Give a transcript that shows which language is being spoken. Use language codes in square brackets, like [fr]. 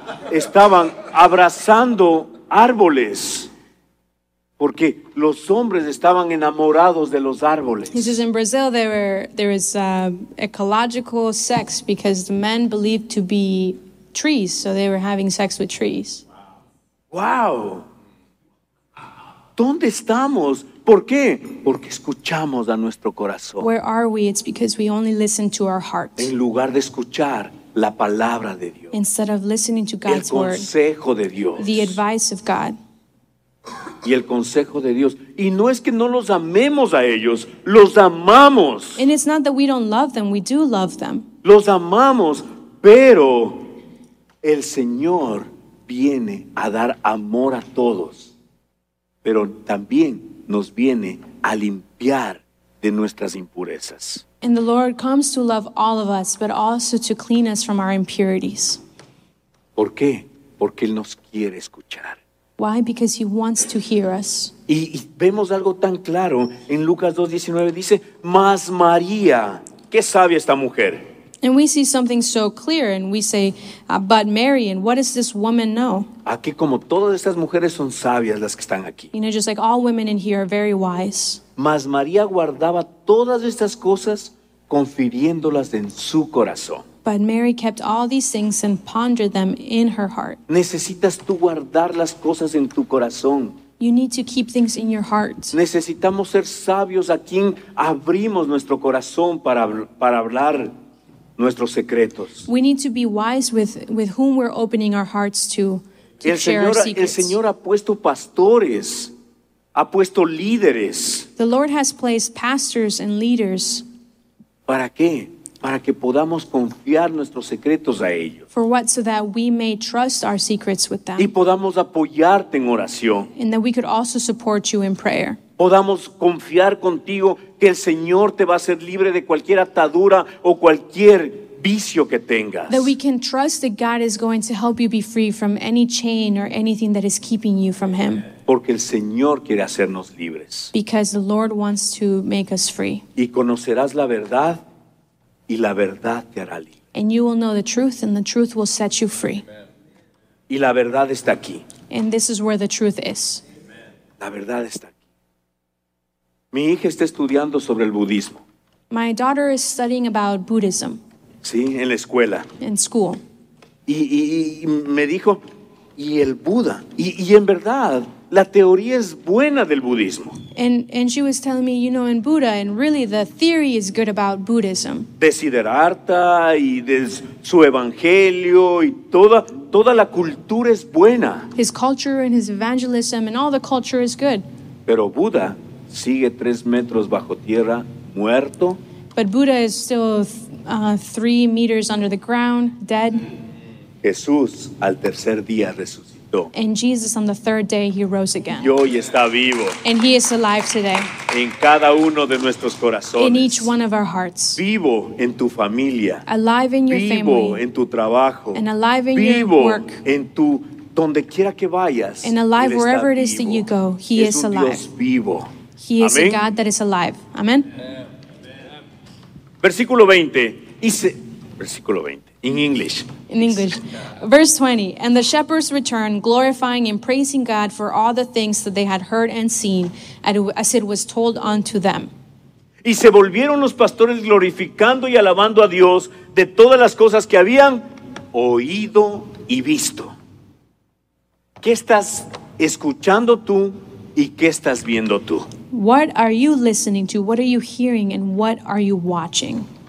[es] Estaban abrazando árboles porque los hombres estaban enamorados de los árboles. [en] This is in Brazil there is ecological sex because the men believed to be trees, so they were having sex with trees. [es] Wow. ¿Dónde estamos? ¿Por qué? Porque escuchamos a nuestro corazón. [en] Where are we? It's because we only listen to our hearts. [es] En lugar de escuchar la palabra de Dios. [en] Instead of listening to God's word. [es] El consejo de Dios. [en] The advice of God. [es] Y el consejo de Dios. Y no es que no los amemos a ellos. Los amamos. [en] And it's not that we don't love them. We do love them. [es] Los amamos, pero el Señor viene a dar amor a todos. Pero también nos viene a limpiar de nuestras impurezas. [en] And the Lord comes to love all of us, but also to clean us from our impurities. [es] ¿Por qué? Porque Él nos quiere escuchar. [en] Why? Because He wants to hear us. [es] Y vemos algo tan claro en Lucas 2:19. Dice, más María. ¿Qué sabe esta mujer? [en] And we see something so clear, and we say, but Mary, and what does this woman know? [es] Aquí como todas estas mujeres son sabias las que están aquí. [en] You know, just like all women in here are very wise. [es] Mas María guardaba todas estas cosas, confiriéndolas en su corazón. [en] But Mary kept all these things and pondered them in her heart. [es] Necesitas tú guardar las cosas en tu corazón. [en] You need to keep things in your heart. [es] Necesitamos ser sabios a quien abrimos nuestro corazón para hablar nuestros secretos. [en] We need to be wise with whom we're opening our hearts to el share Señor, our secrets. [es] El Señor ha puesto pastores, ha puesto líderes. [en] The Lord has placed pastors and leaders. [es] ¿Para qué? Para que podamos confiar nuestros secretos a ellos. [en] For what? So that we may trust our secrets with them. [es] Y podamos apoyarte en oración. [en] And that we could also support you in prayer. [es] Podamos confiar contigo que el Señor te va a hacer libre de cualquier atadura o cualquier vicio que tengas. [en] That we can trust that God is going to help you be free from any chain or anything that is keeping you from Him. [es] Porque el Señor quiere hacernos libres. [en] Because the Lord wants to make us free. [es] Y conocerás la verdad. Y la verdad te hará libre. [en] And you will know the truth, and the truth will set you free. [es] Amen. Y la verdad está aquí. [en] And this is where the truth is. [es] Amen. La verdad está aquí. Mi hija está estudiando sobre el budismo. [en] My daughter is studying about Buddhism. [es] Sí, en la escuela. [en] In school. [es] Y me dijo, ¿y el Buda? Y en verdad, la teoría es buena del budismo. [en] And she was telling me, you know, in Buddha, and really the theory is good about Buddhism. [es] Desiderata y su evangelio y toda la cultura es buena. [en] His culture and his evangelism and all the culture is good. [es] Pero Buda sigue 3 metros bajo tierra, muerto. [en] But Buddha is still 3 meters under the ground, dead. [es] Jesús al tercer día resucitó. [en] And Jesus, on the third day, he rose again. [es] Y hoy está vivo. [en] And he is alive today. [es] En cada uno de nuestros corazones. [en] In each one of our hearts. [es] Vivo en tu familia. [en] Alive in your [es] vivo [en] family. [es] Vivo en tu trabajo. [en] And alive in [es] vivo [en] your work. [es] En tu donde quiera que vayas. [en] And alive wherever it is that you go. He [es] es [en] is alive. [es] Dios vivo. [en] He is [es] Amén. [en] A God that is alive. Amen. Amen. [es] Versículo 20. Versículo 20. [en] In English. In English. Verse 20. And the shepherds returned, glorifying and praising God for all the things that they had heard and seen, as it was told unto them. [es] Y se volvieron los pastores glorificando y alabando a Dios de todas las cosas que habían oído y visto. ¿Qué estás escuchando tú y qué estás viendo tú? [en] What are you listening to? What are you hearing and what are you watching?